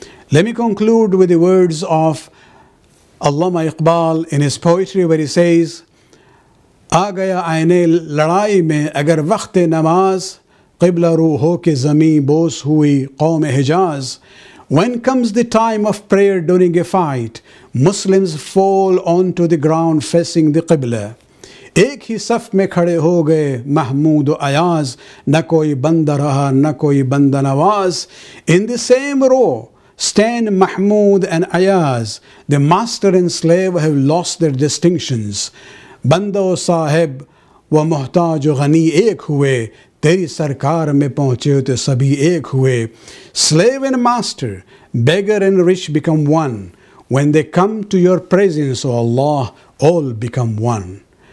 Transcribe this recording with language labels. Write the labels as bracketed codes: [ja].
[en] Let me conclude with the words of Allama Iqbal in his poetry, where he says, [ur] آ گیا آئینِ لڑائی میں اگر وقتِ نماز قبلہ روح ہو کے زمین بوس ہوئی قومِ Hijaz. [en] When comes the time of prayer during a fight, Muslims fall onto the ground facing the Qibla. [ur] ایک ہی صف میں کھڑے ہو گئے محمود و عیاز نہ کوئی بندہ رہا نہ کوئی بندہ نواز. [en] In the same row stand Mahmood and Ayaz. The master and slave have lost their distinctions. [ur] بندہ و صاحب و محتاج و غنی ایک ہوئے تیری سرکار میں پہنچے ہوتے سبھی ایک ہوئے. [en] Slave and master, beggar and rich become one. When they come to your presence, O Allah, all become one.